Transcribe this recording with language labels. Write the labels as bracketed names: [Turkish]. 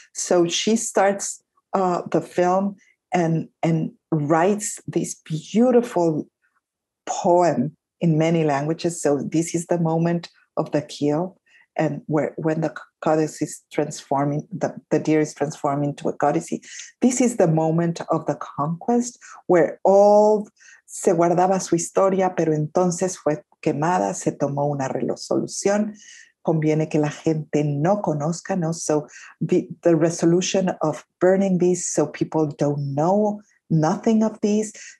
[English] So she starts the film and writes this beautiful poem in many languages. So this is the moment of the kill, and when the codex is transforming, the deer is transforming into a codice. This is the moment of the conquest, where all [Spanish] se guardaba su historia, pero entonces fue quemada, se tomó una resolución. Conviene que la gente no conozca, no? [English] So the resolution of burning these so people don't know nothing of these.